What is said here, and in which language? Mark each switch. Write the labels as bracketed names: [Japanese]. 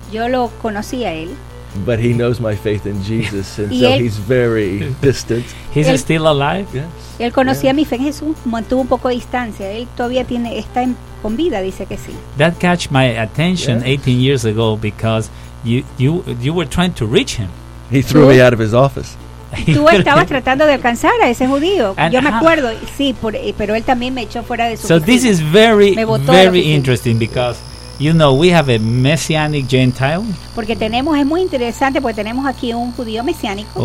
[Spanish] Yo lo conocí a él. [English] But he knows my faith in Jesus, and so he's very distant. He's still alive? Yes. [Spanish] Él conocía mi fe en Jesús, mantuvo un poco de distancia. Él todavía está con vida, dice que sí. [English] That catch my attention 18 years ago because you were trying to reach him. He threw me out of his office. [Spanish] Tú estabas tratando de alcanzar a ese judío. And yo me acuerdo, sí, pero él también me echó fuera de su oficina. [English] So this is very, very interesting because, you know, we have a messianic Gentile. [Spanish] Porque tenemos, es muy interesante porque tenemos aquí un judío mesiánico.